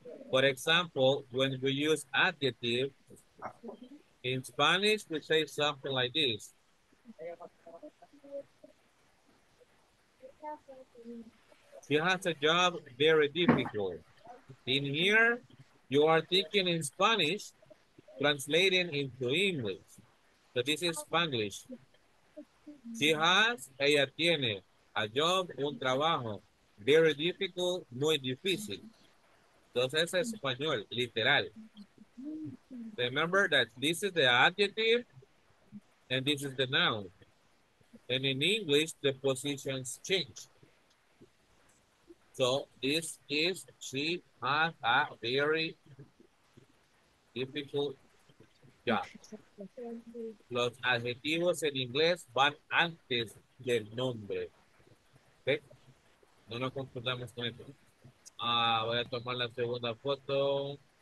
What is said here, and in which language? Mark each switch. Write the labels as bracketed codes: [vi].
[en] For example, when we use adjective, in Spanish, we say something like this. She has a job very difficult. In here, you are thinking in Spanish, translating into English. So this is Spanglish. She has, [es] ella tiene, [en] a job, [es] un trabajo, [en] very difficult, [es] muy difícil. Entonces es español, literal. [en] Remember that this is the adjective and this is the noun. And in English, the positions change. So this is, she has a very difficult job. [es] Los adjetivos en inglés van antes del nombre. Okay? No nos confundamos con esto. Voy a tomar la segunda foto.